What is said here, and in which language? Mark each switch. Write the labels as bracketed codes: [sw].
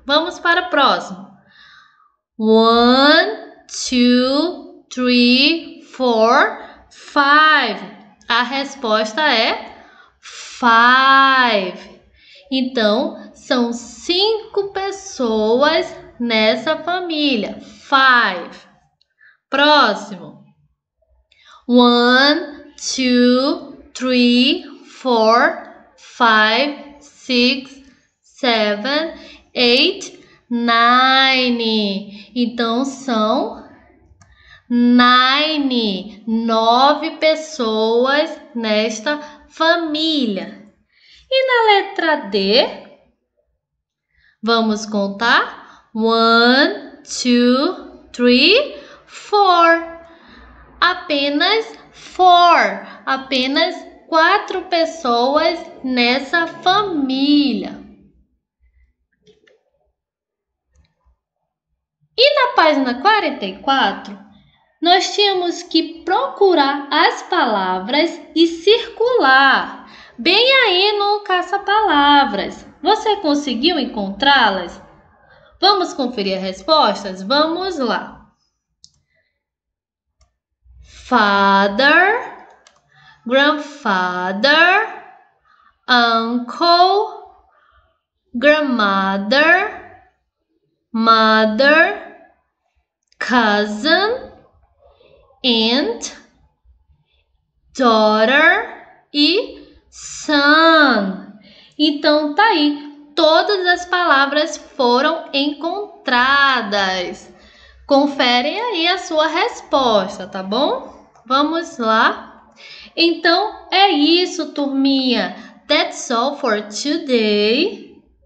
[pt] Vamos para o próximo. [en] One, two, three, four, five. [pt] A resposta é five. Então, são cinco pessoas nessa família. [en] Five. [pt] Próximo. [en] One, two, three, four, five, six, seven, eight, nine. [pt] Então, são nine, nove pessoas nesta família. E na letra D, vamos contar? [en] One, two, three, four. [pt] Apenas four. Apenas quatro pessoas nessa família. E na página 44, nós tínhamos que procurar as palavras e circular bem aí no caça-palavras. Você conseguiu encontrá-las? Vamos conferir as respostas? Vamos lá. [en] Father, grandfather, uncle, grandmother, mother, cousin, aunt, daughter e son. [pt] Então tá aí, todas as palavras foram encontradas. Confere aí a sua resposta, tá bom? Vamos lá. Então é isso, turminha. [en] That's all for today.